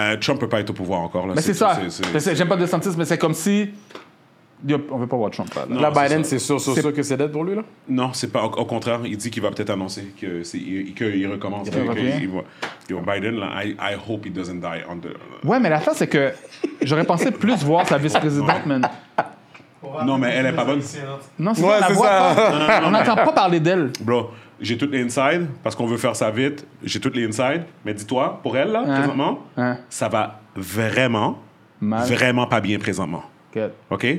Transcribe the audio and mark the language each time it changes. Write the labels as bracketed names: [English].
[French] Trump peut pas être au pouvoir encore, là. Mais c'est ça. C'est, j'aime pas DeSantis, mais c'est comme si. On veut pas voir Trump. Non, là, Biden, c'est sûr que c'est dead pour lui, là? Non, c'est pas. Au contraire, il dit qu'il va peut-être annoncer qu'il recommence. Il va. [English] Biden, là, I hope he doesn't die under. [French] Ouais, mais la fin, c'est que j'aurais pensé plus voir sa vice-présidente, man. Non, mais elle est pas bonne. Non, c'est, ouais, la c'est ça. On n'entend pas parler d'elle. Bro, j'ai toutes les insides parce qu'on veut faire ça vite. J'ai toutes les insides. Mais dis-toi, pour elle, là, présentement, ça va vraiment, vraiment pas bien présentement. Okay. OK?